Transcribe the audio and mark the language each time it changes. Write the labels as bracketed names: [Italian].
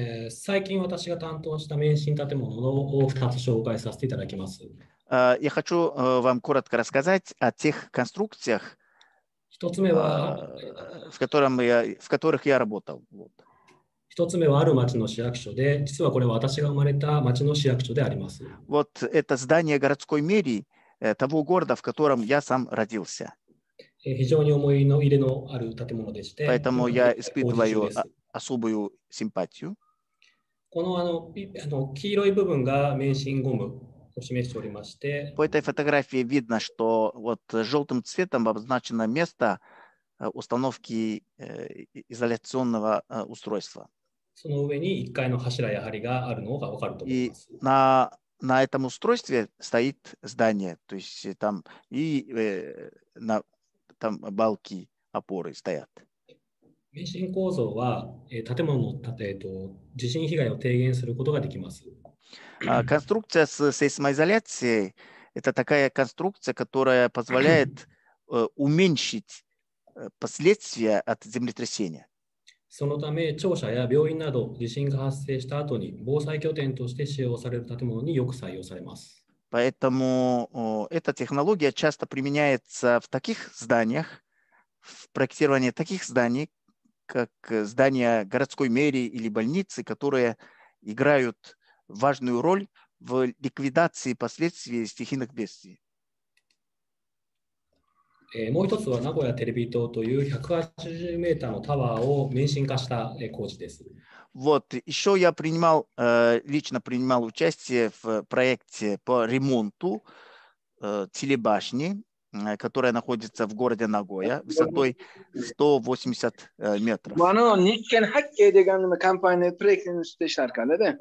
[Japanese] 最近私が担当した免震建物を2つ紹介させていただきます。 [Russian] Я хочу вам коротко рассказать о тех конструкциях, [Japanese] 1つ目は、 [Russian] в которых я работал. Вот. [Japanese] 1つ目はある町の市役所で、実はこれは私が生まれた町の市役所であります。 [Russian] Вот это здание городской мэрии того города, в котором я сам родился. [Japanese] 非常に思い入れのある建物でして、 [Russian] Поэтому [Japanese] 今 [Russian] я [Japanese] でも大事情です。 [Russian] особую симпатию. [Japanese] この黄色い部分が免震ゴムを示しておりまして、 [Russian] по этой фотографии видно, что вот желтым цветом обозначено место установки изоляционного устройства. [Japanese] その上に1階の柱や梁があるのがわかると思います。 [Russian] На этом устройстве стоит здание, то есть там и на там балки опоры стоят. [Japanese] 免震構造は建物の建てと地震被害を低減することができます。 [Russian] Конструкция с сейсмоизоляцией – это такая конструкция, которая позволяет уменьшить последствия от землетрясения. [Japanese] そのため、庁舎や病院など地震が発生した後に防災拠点として使用される建物によく採用されます。 [Russian] Поэтому эта технология часто применяется в таких зданиях, в проектировании таких зданий, как здания городской мэрии или больницы, которые играют важную роль в ликвидации последствий стихийных бедствий. [Japanese] もう一つは名古屋テレビ塔という180メーターのタワーを免震化した工事です。 [Russian] Вот, еще я принимал, лично принимал участие в проекте по ремонту телебашни, которая находится в городе Нагоя, высотой 180 метров. [Kazakh] Bana Nikken Hakkei деген компания проектін істеші арқалы, да?